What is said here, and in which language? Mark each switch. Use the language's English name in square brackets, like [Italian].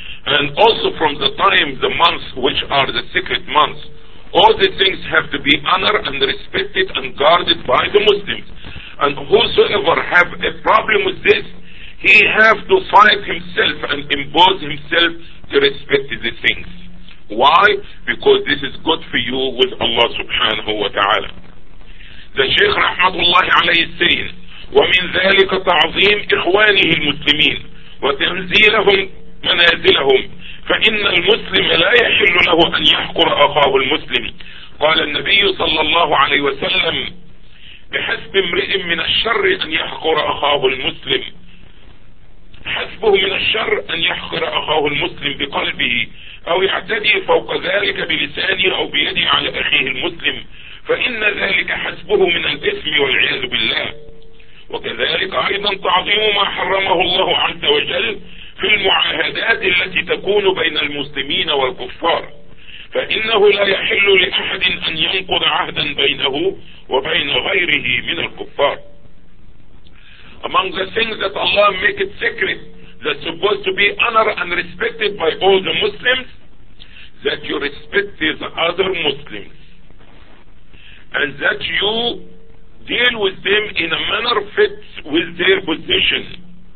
[English] And also from the time, the months which are the secret months, all the things have to be honored and respected and guarded by the Muslims. And whosoever have a problem with this, he have to fight himself and impose himself to respect these things. Why? Because this is good for you with Allah subhanahu wa ta'ala. The Shaykh rahmatullahi alayhi is saying, [Arabic] ومن ذلك تعظيم إخوانه المسلمين وتنزيلهم منازلهم، فإن المسلم لا يحل له أن يحقر أخاه المسلم. قال النبي صلى الله عليه وسلم، بحسب امرئ من الشر أن يحقر أخاه المسلم، حسبه من الشر أن يحقر أخاه المسلم بقلبه أو يعتدي فوق ذلك بلسانه أو بيده على أخيه المسلم، فإن ذلك حسبه من الإثم والعياذ بالله. وكذلك أيضا تعظيم ما حرمه الله عز وجل في المعاهدات التي تكون بين المسلمين والكفار، فإنه لا يحل لأحد أن ينقض عهدا بينه وبين غيره من الكفار. [English] Among the things that Allah make it secret that's supposed to be honored and respected by all the Muslims, that you respect these other Muslims and that you deal with them in a manner fit with their position.